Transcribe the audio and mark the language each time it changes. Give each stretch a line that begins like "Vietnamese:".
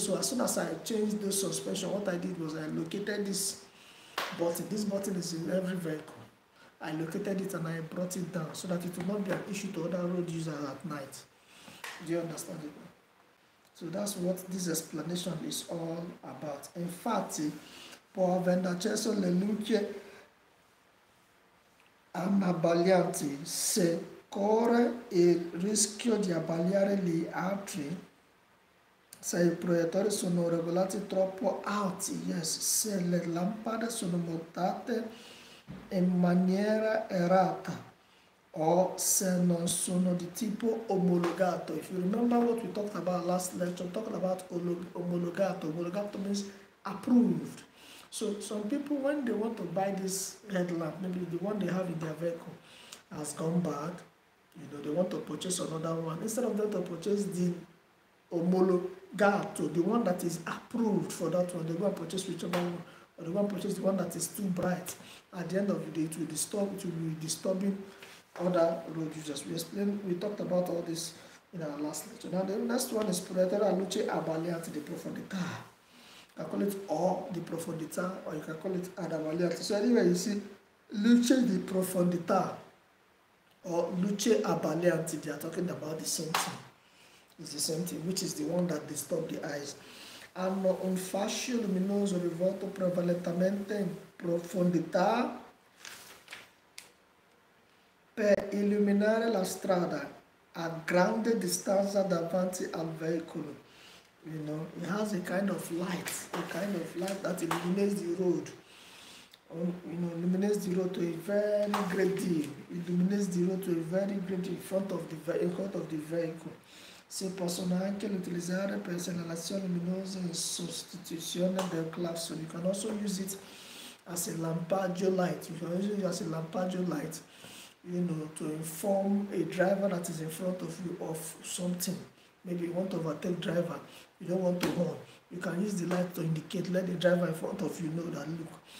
English: So as soon as I changed the suspension, what I did was I located this button. This button is in every vehicle. I located it and I brought it down so that it will not be an issue to other road users at night. Do you understand it? So that's what this explanation is all about.
Italian: In fact, Paul Vendaceso Leluce Anabaliante se corre il rischio di abbagliare gli altri se I proiettori sono regolati troppo alti, yes, se le lampade sono montate in maniera errata, or se non sono di tipo omologato.
English: If you remember what we talked about last lecture, talking about omologato. Omologato means approved. So some people, when they want to buy this headlamp, maybe the one they have in their vehicle has gone bad, you know, they want to purchase another one. Instead of them to purchase the omologato, the one that is approved for that one, they go and purchase whichever one, or they go and purchase the one that is too bright. At the end of the day, it will be disturbing other road users. We talked about all this in our last lecture. Now the next one is Proiettore Luce Abbagliante di Profondità. You can call it or di Profondità, or you can call it ad abbagliante. So anyway, you see Luce di Profondità or Luce Abbagliante, they are talking about the same thing. It's the same thing, which is the one that disturbs the eyes.
Italian: Hanno un fascio luminoso rivolto prevalentemente in profondità per illuminare la strada a grande distanza davanti al veicolo.
English: You know, it has a kind of light that illuminates the road. Illuminates the road to a very great deal. Illuminates the road to a very great deal in front of the vehicle.
Italian: Si possono anche utilizzare per segnalazione luminosa in sostituzione del clapson.
English: You can also use it as a lampaggio light. You can use it as a lampaggio light, you know, to inform a driver that is in front of you of something. Maybe you want to overtake driver, you don't want to horn. You can use the light to indicate, let the driver in front of you know that, look,